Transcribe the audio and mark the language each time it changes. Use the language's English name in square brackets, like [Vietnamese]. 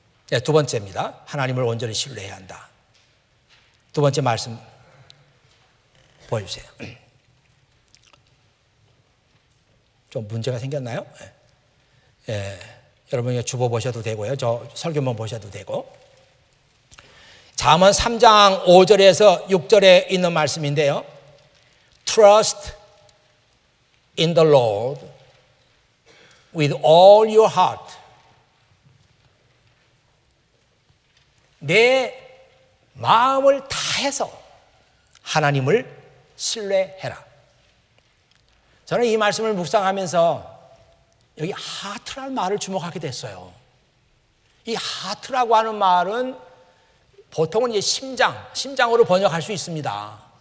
[Korean] 네, 두 번째입니다. 하나님을 온전히 신뢰해야 한다. 두 번째 말씀 보여주세요. 좀 문제가 생겼나요? 예, 여러분 주보 보셔도 되고요. 저 설교만 보셔도 되고. 잠언 3장 5절에서 6절에 있는 말씀인데요. [English] Trust in the Lord with all your heart. [Korean] 내 마음을 다해서 하나님을 신뢰해라. 저는 이 말씀을 묵상하면서 여기 하트라는 말을 주목하게 됐어요. 이 하트라고 하는 말은 보통은 이제 심장으로 번역할 수 있습니다.